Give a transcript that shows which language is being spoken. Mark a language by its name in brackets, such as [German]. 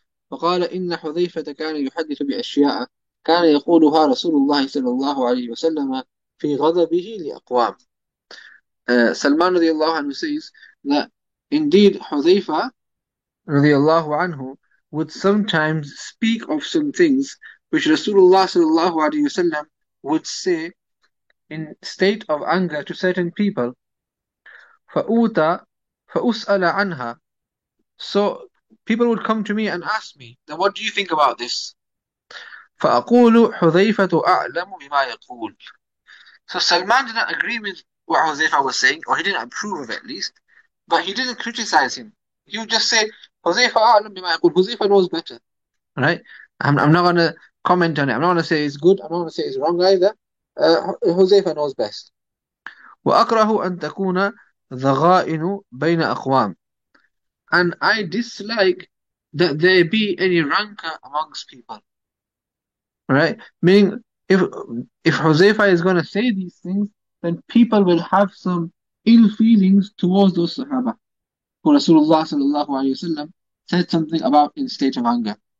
[Arabic] فقال إن حذيفة كان يحدث بأشياء كان يقولها رسول الله صلى الله عليه وسلم في غضبه لأقوام. [English] سلمان رضي الله عنه says that indeed حذيفة رضي الله عنه would sometimes speak of some things which Rasulullah sallallahu alayhi wasallam would say in state of anger to certain people. [Arabic] فأوتى فأسأل عنها. [English] So people would come to me and ask me, then what do you think about this? [Arabic] فأقول حذيفة أعلم بما يقول. [English] So Salman did not agree with what Hudhayfa was saying, or he didn't approve of it at least, but he didn't criticize him. He would just say, Hudhayfa [Arabic] أعلم بما يقول. [English] Hudhayfa knows better. Right? I'm not going to comment on it. I'm not going to say it's good. I'm not going to say it's wrong either. Hudhayfa knows best. [Arabic] وأكره أن تكون ضغائن بين أقوام. [English] And I dislike that there be any rancor amongst people. Right? Meaning, if Hudhayfa is going to say these things, then people will have some ill feelings towards those Sahaba, who Rasulullah sallallahu alayhi wasallam said something about in state of anger.